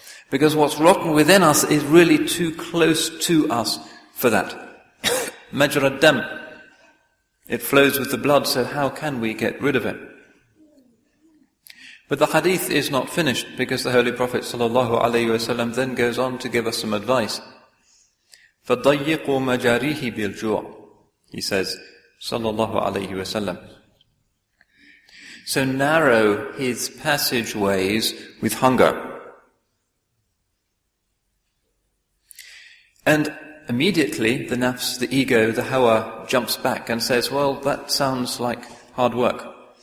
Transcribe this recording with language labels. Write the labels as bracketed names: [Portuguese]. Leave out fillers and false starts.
[English] Because what's rotten within us is really too close to us for that. Majraddam. It flows with the blood, so how can we get rid of it? But the hadith is not finished, because the Holy Prophet ﷺ then goes on to give us some advice. [Arabic] فَضَيِّقُوا مَجَارِيهِ بِالْجُوعِ, [English] he says, [Arabic] ﷺ. [English] So narrow his passageways with hunger. And immediately the nafs, the ego, the hawa, jumps back and says, well, that sounds like hard work.